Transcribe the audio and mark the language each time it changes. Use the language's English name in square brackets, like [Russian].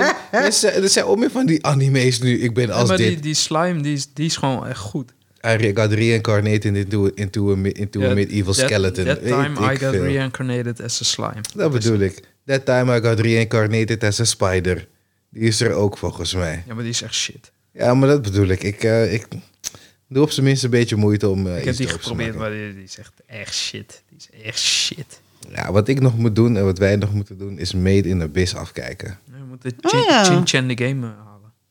[Dutch] Er zijn ook meer van die anime's nu. Ik ben als dit. Die slime, die is gewoon echt goed. [English] I got reincarnated into a medieval skeleton. That time I got reincarnated as a slime. [Dutch] Dat bedoel ik. [English] That time I got reincarnated as a spider. [Dutch] Die is er ook volgens mij. Ja, maar die is echt shit. Ja, maar dat bedoel ik. Ik doe op zijn minst een beetje moeite om Ik heb die geprobeerd, maar die is echt shit. Die is echt shit. Ja, wat ik nog moet doen en wat wij nog moeten doen is Made in Abyss afkijken. We moeten Chin-Chan de game halen.